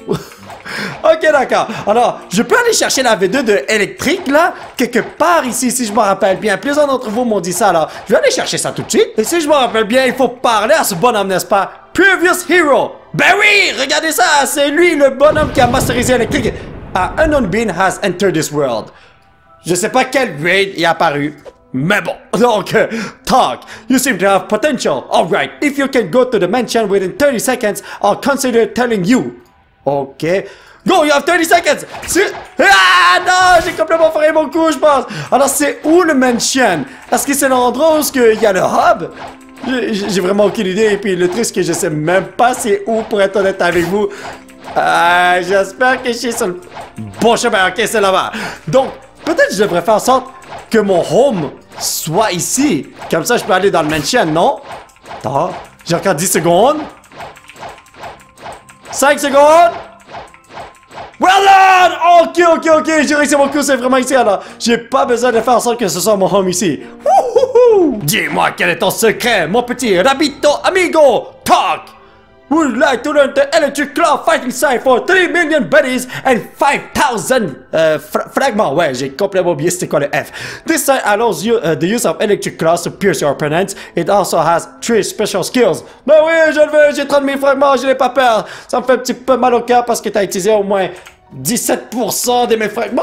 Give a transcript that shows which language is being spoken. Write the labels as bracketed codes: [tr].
[fr] OK, d'accord. Alors, je peux aller chercher la V2 de électrique, là, quelque part ici, si je me rappelle bien. Plusieurs d'entre vous m'ont dit ça, alors. Je vais aller chercher ça tout de suite. Et si je me rappelle bien, il faut parler à ce bonhomme, n'est-ce pas? Previous Hero. Ben oui, regardez ça. C'est lui, le bonhomme qui a masterisé électrique. [en] Ah, unknown being has entered this world. [fr] Je sais pas quel raid est apparu. Mais bon, donc, [en] talk, you seem to have potential. Alright, if you can go to the mansion within 30 seconds, I'll consider telling you. Ok, go, you have 30 seconds. [fr] Ah, non, j'ai complètement foiré mon coup, je pense. Alors, c'est où le mansion? Est-ce que c'est l'endroit où il y a le hub? J'ai vraiment aucune idée, et puis le truc, c'est que je sais même pas c'est où, pour être honnête avec vous. J'espère que je suis sur le bon chemin. Ok, c'est là-bas. Donc, peut-être que je devrais faire en sorte que mon home soit ici. Comme ça, je peux aller dans le mansion, non? Attends, j'ai encore 10 secondes. 5 secondes. [en] Well done! [fr] Ok, ok, ok, j'ai réussi mon coup, c'est vraiment ici, alors. J'ai pas besoin de faire en sorte que ce soit mon home ici. Wouhouhou! Dis-moi, quel est ton secret, mon petit rabito amigo? [en] Talk! Would you like to learn the electric claw fighting style for 3 million buddies and 5,000 fragments? [fr] Ouais, j'ai complètement oublié c'était quoi le F. [en] This style allows you the use of electric claws to pierce your opponents. It also has 3 special skills. [fr] Mais oui, je le veux, j'ai 30 000 fragments, je n'ai pas peur. Ça me fait un petit peu mal au cœur parce que t'as utilisé au moins 17% de mes fragments.